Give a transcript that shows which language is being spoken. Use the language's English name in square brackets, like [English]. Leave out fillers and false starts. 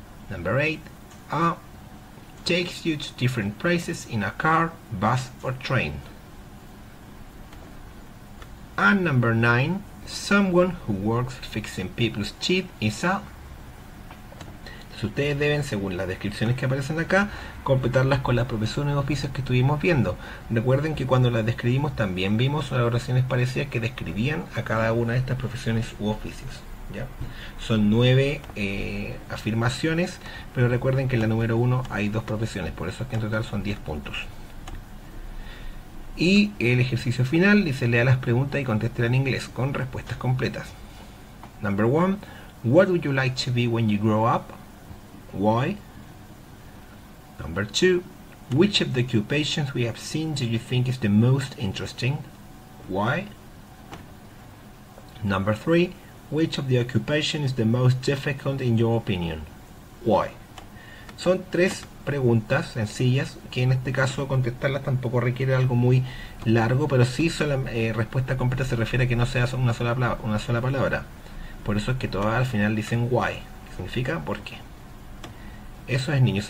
[English] Number 8, a takes you to different places in a car, bus or train. And number 9, someone who works fixing people's teeth is a. [Spanish] Ustedes deben, según las descripciones que aparecen acá, completarlas con las profesiones y oficios que estuvimos viendo. Recuerden que cuando las describimos también vimos oraciones parecidas que describían a cada una de estas profesiones u oficios, ¿ya? Son 9 afirmaciones, pero recuerden que en la número 1 hay dos profesiones, por eso es que en total son 10 puntos. Y el ejercicio final dice: lea las preguntas y conteste en inglés con respuestas completas. [English] Number 1, what would you like to be when you grow up? Why? Number 2, which of the occupations we have seen do you think is the most interesting? Why? Number 3, which of the occupations is the most difficult in your opinion? Why? [Spanish] Son tres preguntas sencillas que en este caso contestarlas tampoco requiere algo muy largo, pero sí sola, respuesta completa se refiere a que no sea una sola palabra. Por eso es que todas al final dicen why, que significa por qué. Eso es, niños.